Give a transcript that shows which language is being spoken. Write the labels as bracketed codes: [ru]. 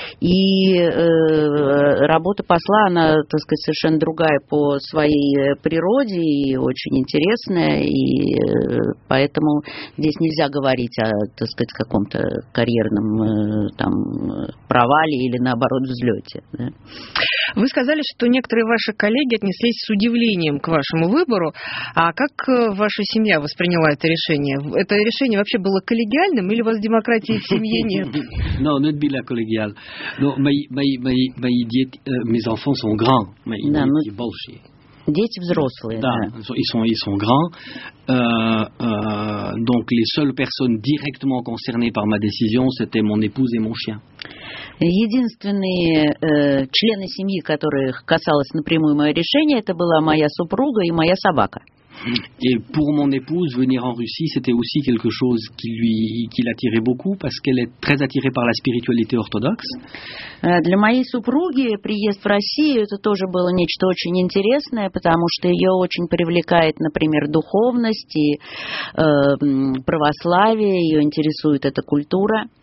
[ru] И работа посла, она, так сказать, совершенно другая по своей природе и очень интересная, и поэтому здесь нельзя говорить о, так сказать, каком-то карьерном там провале или, наоборот, взлете. Да? Вы сказали, что некоторые ваши коллеги отнеслись с удивлением к вашему выбору, а как ваша семья восприняла это решение? Это решение вообще было коллегиальным или у вас демократии в семье нет? Non, не было коллегиально. Мои дети, [fr] mes enfants sont grands, mes [ru] дети большие. Дети взрослые. Да, [fr] ils sont grands. Donc les seules personnes directement concernées par ma décision, c'était mon épouse et mon chien. [ru] Единственные члены семьи, которых касалось напрямую мое решение, это была моя супруга и моя собака. [fr] Et pour mon épouse, venir en Russie, c'était aussi quelque chose qui l'attirait beaucoup, parce qu'elle est très attirée par la spiritualité orthodoxe. [ru] Для моей супруги приезд в Россию, это тоже было нечто очень интересное, потому что ее очень привлекает, например, духовность и православие, ее интересует эта культура.